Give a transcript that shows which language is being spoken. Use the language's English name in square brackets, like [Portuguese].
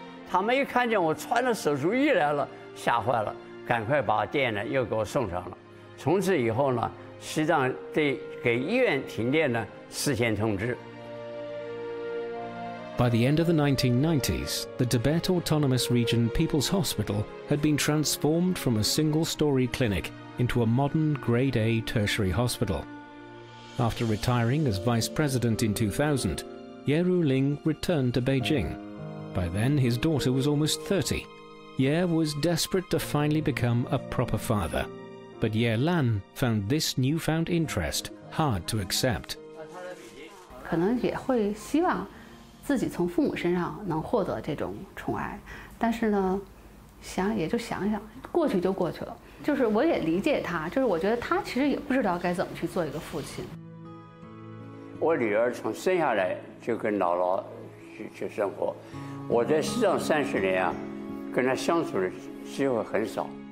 [Chinese] 他们一看见我穿着手术衣来了，吓坏了，赶快把电呢又给我送上了。从此以后呢，西藏对给医院停电呢事先通知。 [English] By the end of the 1990s, the Tibet Autonomous Region People's Hospital had been transformed from a single-story clinic. Into a modern grade A tertiary hospital. After retiring as vice president in 2000, Ye Ruling returned to Beijing. By then, his daughter was almost 30. Ye was desperate to finally become a proper father. But Ye Lan found this newfound interest hard to accept. [Chinese] 可能也会希望自己从父母身上能获得这种宠爱，但是呢，想也就想想，过去就过去了。就是我也理解他，就是我觉得他其实也不知道该怎么去做一个父亲。我女儿从生下来就跟姥姥去生活，我在西藏30年啊，跟她相处的机会很少。